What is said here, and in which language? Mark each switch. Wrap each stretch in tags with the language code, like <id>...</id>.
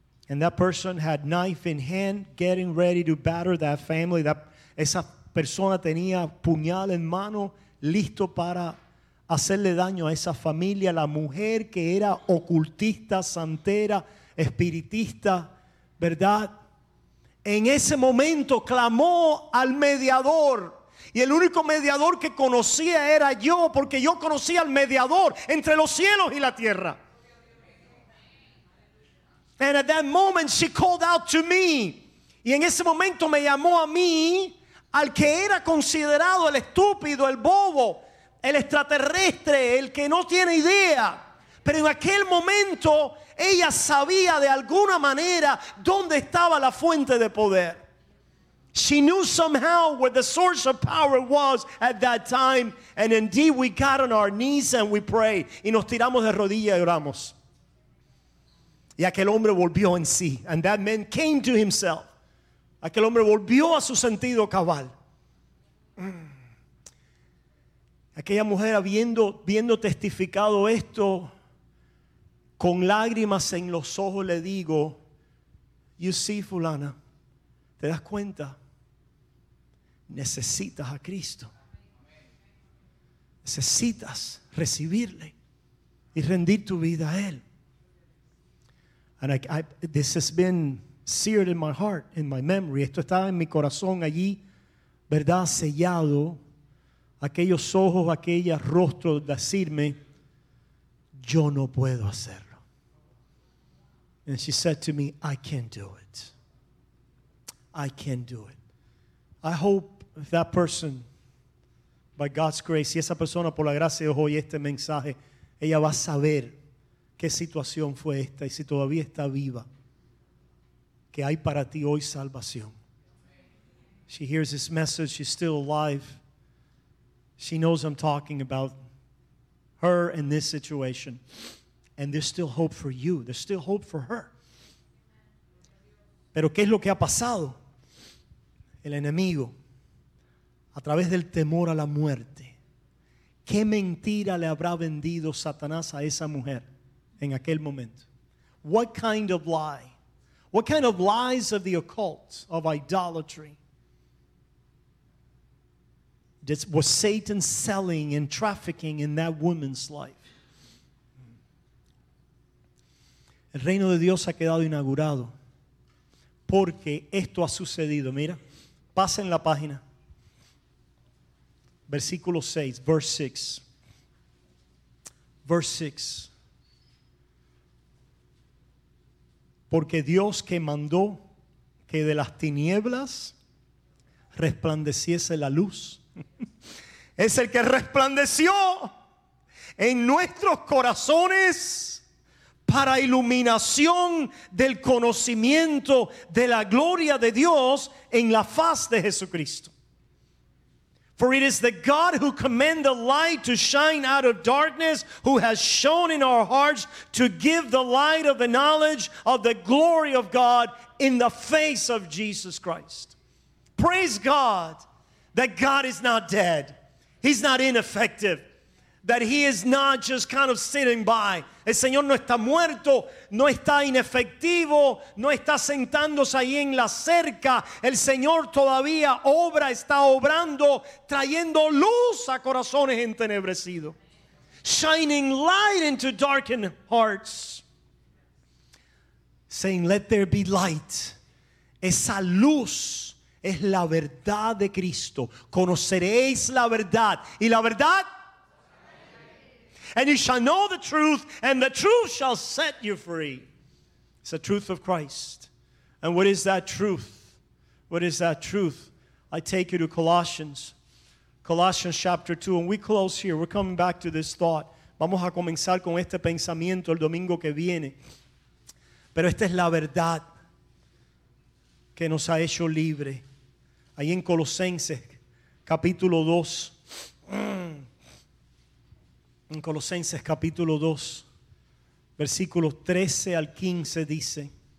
<en>And that person had knife in hand getting ready to batter that family.</en> <es>Esa persona tenía puñal en mano listo para hacerle daño a esa familia. La mujer que era ocultista, santera, espiritista, ¿verdad? En ese momento clamó al mediador. Y el único mediador que conocía era yo, porque yo conocía al mediador entre los cielos y la tierra.</es> <en>And at that moment she called out to me.</en> <es>Y en ese momento me llamó a mí, al que era considerado el estúpido, el bobo, el extraterrestre, el que no tiene idea. Pero en aquel momento ella sabía de alguna manera dónde estaba la fuente de poder.</es> <en>She knew somehow where the source of power was at that time. And indeed we got on our knees and we prayed.</en> <es>Y nos tiramos de rodillas y oramos. Y aquel hombre volvió en sí.</es> <en>And that man came to himself.</en> <es>Aquel hombre volvió a su sentido cabal. Aquella mujer viendo testificado esto, con lágrimas en los ojos le digo,</es> <en>You see,</en> <es>fulana, ¿te das cuenta? Necesitas a Cristo. Necesitas recibirle y rendir tu vida a Él.</es> <en>And this has been seared in my heart, in my memory.</en> <es>Esto está en mi corazón allí, ¿verdad? Sellado. Aquellos ojos, aquella rostro decirme, yo no puedo hacerlo.</es> <en>And she said to me, I can't do it. I can't do it. I hope that person, by God's grace,</en> <es>y esa persona por la gracia de hoy este mensaje, ella va a saber qué situación fue esta y si todavía está viva, que hay para ti hoy salvación.</es> <en>She hears this message, she's still alive. She knows I'm talking about her in this situation. And there's still hope for you. There's still hope for her.</en> <es>Pero ¿qué es lo que ha pasado? El enemigo, a través del temor a la muerte, ¿qué mentira le habrá vendido Satanás a esa mujer en aquel momento?</es> <en>What kind of lie? What kind of lies of the occult, of idolatry? Was Satan selling and trafficking in that woman's life?</en> <es>El reino de Dios ha quedado inaugurado porque esto ha sucedido. Mira, pasa en la página. Versículo 6,</es> <en>verse 6. Verse 6.</en> <es>Porque Dios que mandó que de las tinieblas resplandeciese la luz, es el que resplandeció en nuestros corazones para iluminación del conocimiento de la gloria de Dios en la faz de Jesucristo.</es> <en>For it is the God who commanded the light to shine out of darkness, who has shone in our hearts to give the light of the knowledge of the glory of God in the face of Jesus Christ. Praise God that God is not dead. He's not ineffective. That He is not just kind of sitting by.</en> <es>El Señor no está muerto, no está inefectivo, no está sentándose ahí en la cerca. El Señor todavía obra, está obrando, trayendo luz a corazones entenebrecidos.</es> <en>Shining light into darkened hearts. Saying, let there be light.</en> <es>Esa luz es la verdad de Cristo. Conoceréis la verdad. Y la verdad.</es> <en>And you shall know the truth, and the truth shall set you free. It's the truth of Christ. And what is that truth? What is that truth? I take you to Colossians. Colossians chapter 2. And we close here. We're coming back to this thought.</en> <es>Vamos a comenzar con este pensamiento el domingo que viene. Pero esta es la verdad que nos ha hecho libre. Ahí en Colosenses, capítulo 2. En Colosenses capítulo 2, versículos 13 al 15 dice.</es>